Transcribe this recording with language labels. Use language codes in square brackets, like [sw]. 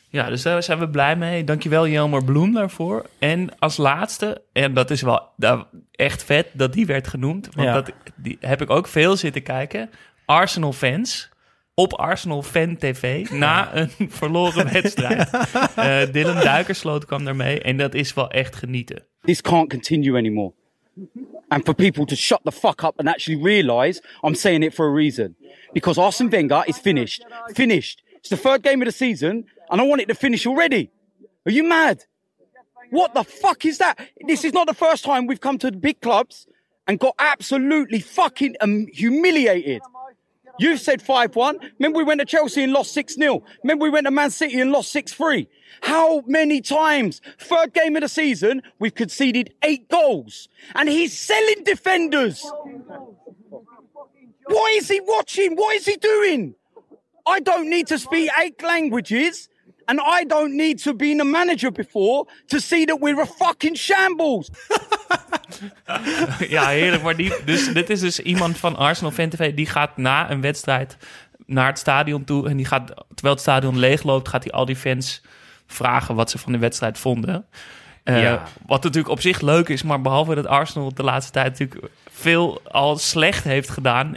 [nl] Ja, dus daar zijn we blij mee. Dankjewel Jelmer Bloem daarvoor. En als laatste, en dat is wel echt vet dat die werd genoemd. Want die heb ik ook veel zitten kijken. Arsenal fans op Arsenal Fan TV na een verloren wedstrijd. Dylan Duikersloot kwam daarmee en dat is wel echt genieten. [en] This can't continue anymore. And for people to shut the fuck up and actually realize I'm saying it for a reason. Because Arsene Wenger is finished. Finished. It's the third game of the season. And I want it to finish already. Are you mad? What the fuck is that? This is not the first time we've come to the big clubs and got absolutely fucking humiliated. You've said 5-1. Remember we went to Chelsea and lost 6-0. Remember we went to Man City and lost 6-3. How many times? Third game of the season, we've conceded 8 goals. And he's selling defenders. What is he watching? What is he doing? I don't need to speak 8 languages. And I don't need to be a manager before to see that we're a fucking shambles. [nl] Ja, heerlijk. Maar dit is dus iemand van Arsenal Fan TV die gaat na een wedstrijd naar het stadion toe. En die gaat, terwijl het stadion leeg loopt, gaat hij al die fans vragen wat ze van de wedstrijd vonden. Wat natuurlijk op zich leuk is, maar behalve dat Arsenal de laatste tijd natuurlijk veel al slecht heeft gedaan.